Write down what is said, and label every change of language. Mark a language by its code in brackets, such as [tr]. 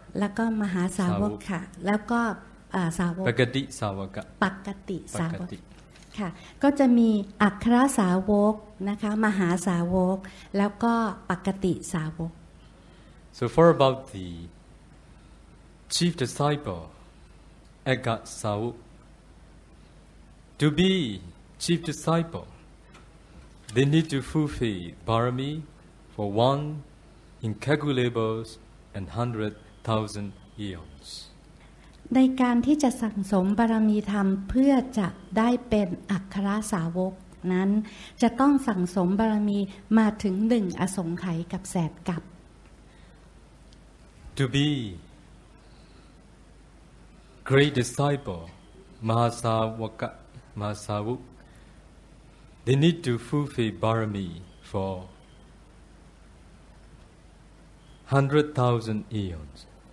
[th] แล้วก็มหาสาวกค่ะแล้วก็สาวก ปกติสาวก ปกติสาวกค่ะก็จะมีอัครสาวกนะคะมหาสาวกแล้วก็ปกติสาวก [en] So for about the chief disciple, Eggasawuk, to be chief disciple, they need to fulfill barami for one incalculable and 100,000 eons. [th] ในการที่จะสั่งสมบารมีธรรมเพื่อจะได้เป็นอัครสาวกนั้นจะต้องสั่งสมบารมีมาถึงหนึ่งอสงไขยกับแสนกัป [en] To be great disciple, Mahasavaka, Mahasavuk, they need to fulfill barami for 100,000 eons.